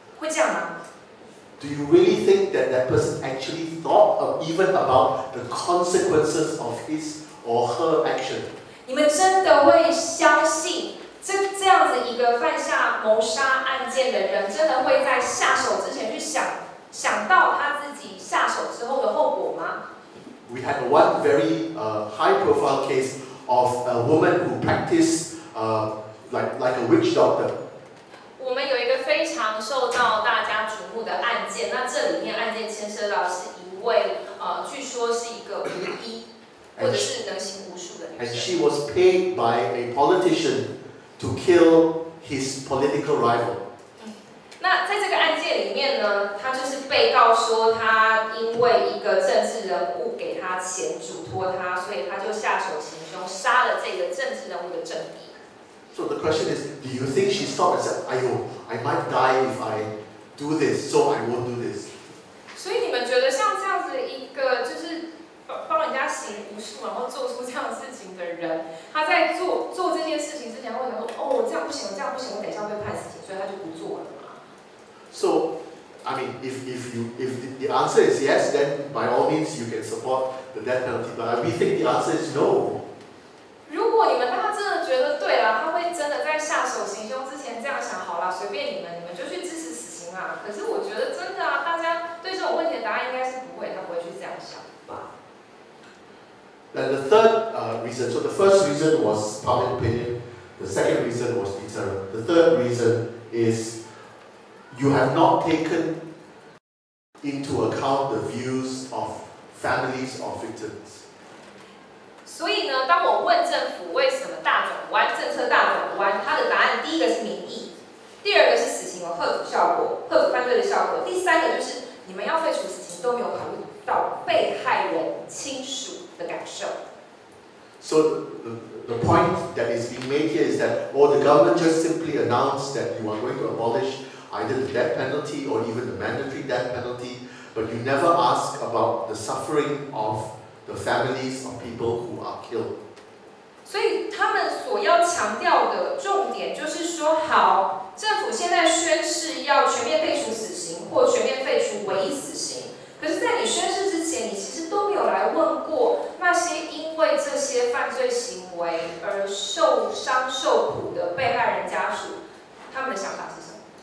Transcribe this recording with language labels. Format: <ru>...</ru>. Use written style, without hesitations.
<en>Do you really think that that person actually thought of even about the consequences of his or her action?</en> <zh>你们真的会相信这样子一个犯下谋杀案件的人，真的会在下手之前去想到他自己下手之后的后果吗？</zh> <en>We had one very high-profile case of a woman who practiced like a witch doctor.</en> <zh>我们有一个非常受到大家瞩目的案件，那这里面案件牵涉到是一位据说是一个巫医，或者是能行巫术的女生。</zh> <en>And she was paid by a politician to kill his political rival.</en> <zh>那在这个案件里面呢，他就是被告说他因为一个政治人物给他钱嘱托他，所以他就下手行凶，杀了这个政治人物的政敌。</zh> <en>So the question is, do you think she stopped and said, "Ayo, I might die if I do this, so I won't do this"?</en> <zh>所以你们觉得像这样子一个就是帮人家行巫术，然后做出这样事情的人，他在做这件事情之前，会想说，哦，这样不行，这样不行，我等一下被判死刑，所以他就不做了嘛。</zh> <en>So, I mean, if the answer is yes, then by all means you can support the death penalty. But we think the answer is no.</en> <zh>如果你们大家真的觉得对了，他会真的在下手行凶之前这样想，好了，随便你们就去支持死刑啦。可是我觉得真的啊，大家对这种问题的答案应该是不会，他不会去这样想吧。</zh> <en>Then the third reason. So the first reason was public opinion. The second reason was deterrent. The third reason is you have not taken into account the views of families of victims.</en> <zh>所以呢，当我问政府为什么大转弯，政策大转弯，它的答案第一个是民意，第二个是死刑有吓阻效果，吓阻犯罪的效果，第三个就是你们要废除死刑都没有考虑到被害人亲属的感受。</zh> <en>So the point that is being made here is that, or the government just simply announced that you are going to abolish either the death penalty or even the mandatory death penalty, but you never ask about the suffering of the families of people who are killed.</en> <zh>所以他们所要强调的重点就是说，好，政府现在宣誓要全面废除死刑或全面废除唯一死刑，可是在你宣誓之前，你其实都没有来问过那些因为这些犯罪行为而受伤受苦的被害人家属，他们的想法是什么？</zh>